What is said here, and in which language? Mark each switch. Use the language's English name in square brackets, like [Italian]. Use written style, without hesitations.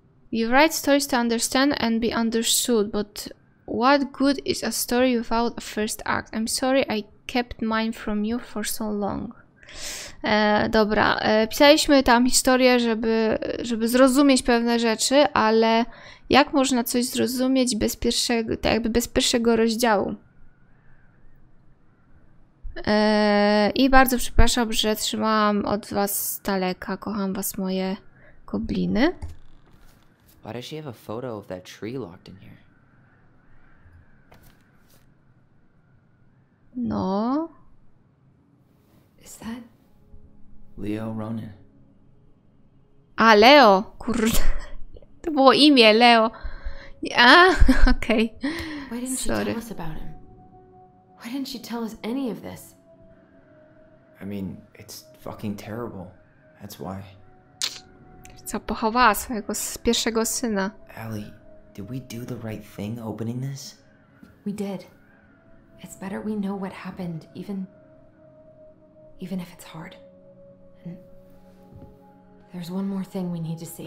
[English] You write stories to understand and be understood, but what good is a story without a first act? I'm sorry I kept mine from you for so long. [Polish] Dobra, pisaliśmy tam historię, żeby zrozumieć pewne rzeczy, ale jak można coś zrozumieć bez pierwszego, tak jakby bez pierwszego rozdziału? I bardzo przepraszam, że trzymałam od was daleka. Kocham was, moje gobliny. [English] Why does she have a photo of that tree locked in here? No. Is that Leo Ronin? [Polish] A Leo, kurde. To było imię Leo. A, okej. Okay. [English] Why didn't Sorry. She tell us about him? Why didn't she tell us any of this? I mean, it's fucking terrible. That's why. [Polish] Co pochowała swojego pierwszego syna. [English] Ali, did we do the right thing opening this? We did. It's better we know what happened, even if it's hard. And there's one more thing we need to see.